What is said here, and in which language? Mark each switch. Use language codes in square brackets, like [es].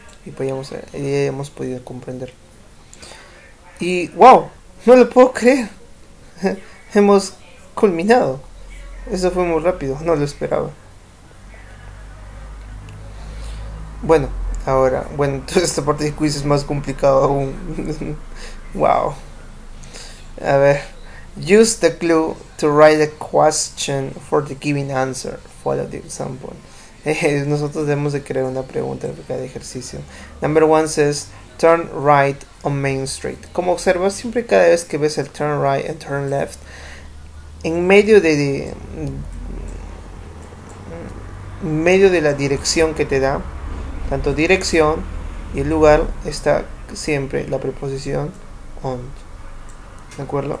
[es] Y podíamos, ya hemos podido comprender. Y wow, no lo puedo creer. Hemos culminado. Eso fue muy rápido, no lo esperaba. Bueno, ahora, bueno, entonces esta parte del quiz es más complicado aún. Wow. A ver. [en] Use the clue to write a question for the given answer. Follow the example. [es] Nosotros debemos de crear una pregunta para cada ejercicio. [en] Number one says, turn right on Main Street. [es] Como observas, siempre cada vez que ves el [en] turn right and turn left, [es] en medio de la dirección que te da, tanto dirección y el lugar, está siempre la preposición on. ¿De acuerdo?